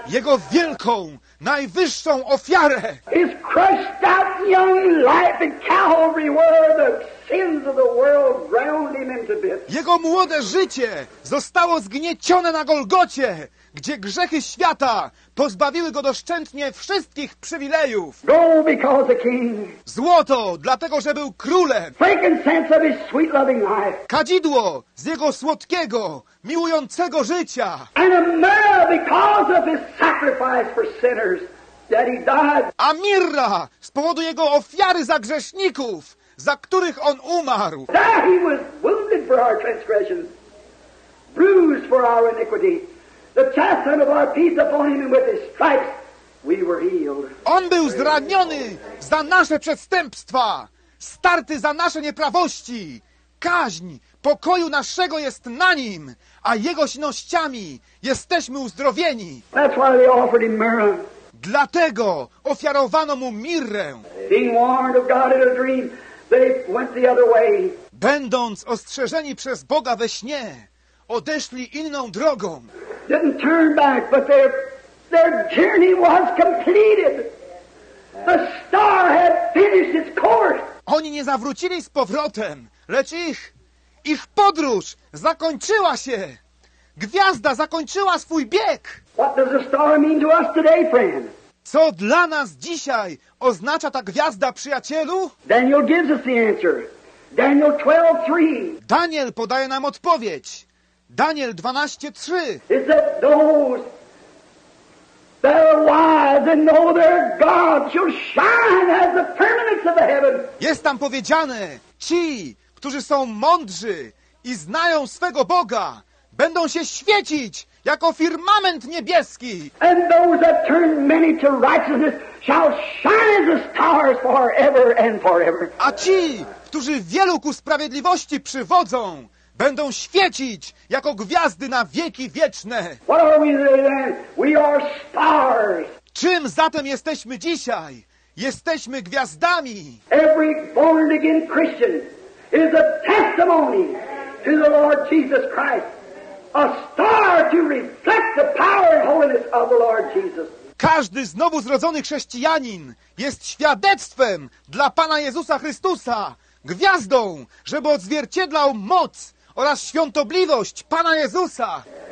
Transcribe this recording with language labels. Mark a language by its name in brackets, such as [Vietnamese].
[Polish] Jego wielką, najwyższą ofiarę. [English] His crushed out young life at Calvary where the sins of the world ground him into bits. [Polish] Jego młode życie zostało zgniecione na Golgocie, gdzie grzechy świata pozbawiły go doszczętnie wszystkich przywilejów. [English] Gold because the king. [Polish] Złoto, dlatego że był królem. [English] Frankincense of his sweet loving life. [Polish] Kadzidło z jego słodkiego, miłującego życia. [English] And a myrrh because of his sacrifice for sinners that he died. [Polish] A mirra z powodu jego ofiary za grzeszników, za których on umarł. [English] That he was wounded for our transgressions, bruised for our iniquity. The chastisement of our peace upon him, and with his stripes we were healed. [Polish] On był zraniony za nasze przestępstwa, starty za nasze nieprawości. Kaźń pokoju naszego jest na nim, a jego śnościami jesteśmy uzdrowieni. [English] That's why they offered him myrrh. [Polish] Dlatego ofiarowano mu mirrę. [English] Being warned of God in a dream, they went the other way. [Polish] Będąc ostrzeżeni przez Boga we śnie, odeszli inną drogą. [English] Didn't turn back, but their journey was completed. The star had finished its course. [Polish] Oni nie zawrócili z powrotem, lecz ich podróż zakończyła się. Gwiazda zakończyła swój bieg. [English] What does the star mean to us today, friend? [Polish] Co dla nas dzisiaj oznacza ta gwiazda, przyjacielu? [English] Daniel gives us the answer. Daniel 12:3. [Polish] Daniel podaje nam odpowiedź. Daniel 12:3. [English] Is that those that are wise and know their God shall shine as the firmaments of the heaven. [Polish] Jest tam powiedziane, ci, którzy są mądrzy i znają swego Boga, będą się świecić jako firmament niebieski. [English] And those that turn many to righteousness shall shine as the stars forever and forever. [Polish] A ci, którzy wielu ku sprawiedliwości przywodzą, będą świecić jako gwiazdy na wieki wieczne. [English] What are we then? We are stars. [Polish] Czym zatem jesteśmy dzisiaj? Jesteśmy gwiazdami. [English] Every born again Christian is a testimony to the Lord Jesus Christ. A star to reflect the power and holiness of the Lord Jesus. [Polish] Każdy znowu zrodzony chrześcijanin jest świadectwem dla Pana Jezusa Chrystusa, gwiazdą, żeby odzwierciedlał moc oraz świątobliwość Pana Jezusa.